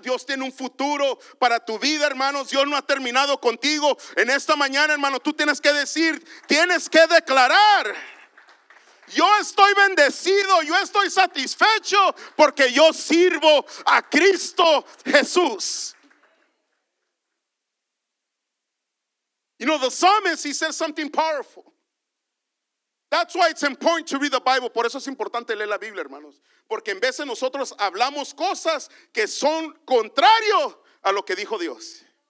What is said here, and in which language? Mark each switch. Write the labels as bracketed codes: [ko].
[es] Dios tiene un futuro para tu vida, hermanos. Dios no ha terminado contigo. En esta mañana, hermano, tú tienes que decir, tienes que declarar. Yo estoy bendecido, yo estoy satisfecho porque yo sirvo a Cristo Jesús. [en] You know, the psalmist, he said something powerful. That's why it's important to read the Bible. [es] Por eso es importante leer la Biblia, hermanos. Porque en veces nosotros hablamos cosas que son contrario a lo que dijo Dios.